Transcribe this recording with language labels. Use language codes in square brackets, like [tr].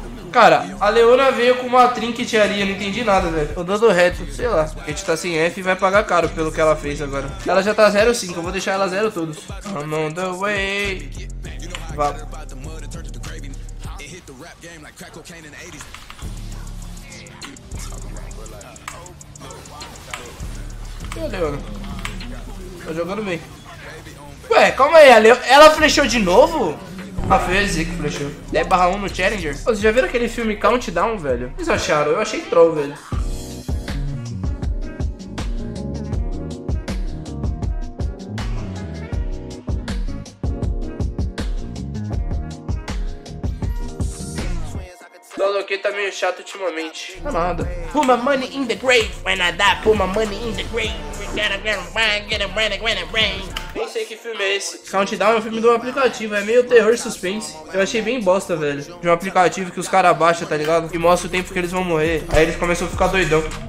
[pt] Cara, a Leona veio com uma trinket ali, eu não entendi nada, velho. Tô dando reto, sei lá. A gente tá sem F e vai pagar caro pelo que ela fez agora. Ela já tá 0-5, eu vou deixar ela 0 todos. [en] I'm on the way. [pt] Vá. [en] hit the rap game like crack cocaine in the 80s. [pt] Meu Deus, tá jogando bem. Ué, calma aí, ela flechou de novo? A Fezzi que flechou. 10/1 no Challenger. Vocês já viram aquele filme Countdown, velho? O que vocês acharam? Eu achei troll, velho. Que tá meio chato ultimamente. Nada. [en] Put my money in the grave. When I die, put my money in the grave. [pt] Nem sei que filme é esse. Countdown é um filme de um aplicativo. É meio terror suspense. Eu achei bem bosta, velho. De um aplicativo que os caras baixam, tá ligado? E mostra o tempo que eles vão morrer. Aí eles começam a ficar doidão.